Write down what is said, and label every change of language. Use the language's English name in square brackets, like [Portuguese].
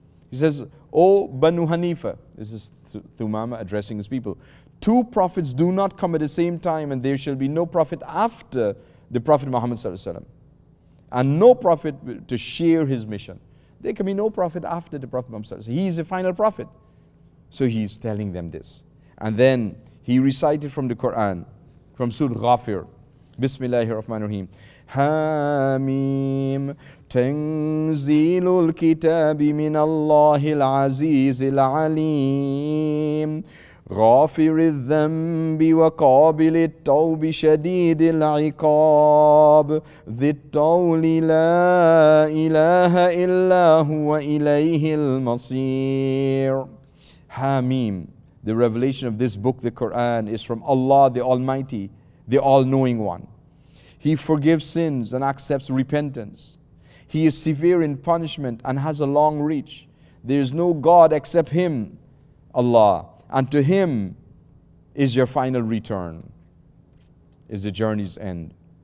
[English] He says, "O Banu Hanifa," this is Thumama addressing his people, "two prophets do not come at the same time, and there shall be no prophet after the Prophet Muhammad sallallahu alaihi wasallam, and no prophet to share his mission. There can be no prophet after the Prophet Muhammad sallallahu alaihi wasallam. He is the final prophet." So he's telling them this. And then he recited from the Quran, from Surah Ghafir, [Arabic] Bismillahir Rahmanir Rahim. Hamim, tanzilul kitabi min Allahil azizil alim, غافر الذنب وقابل التوب شديد العقاب ذي الطول لا إله إلا هو إليه المصير. Hamim. [English] The revelation of this book, the Quran, is from Allah, the Almighty, the All-Knowing One. He forgives sins and accepts repentance. He is severe in punishment and has a long reach. There is no God except Him, Allah. And to Him is your final return, is the journey's end.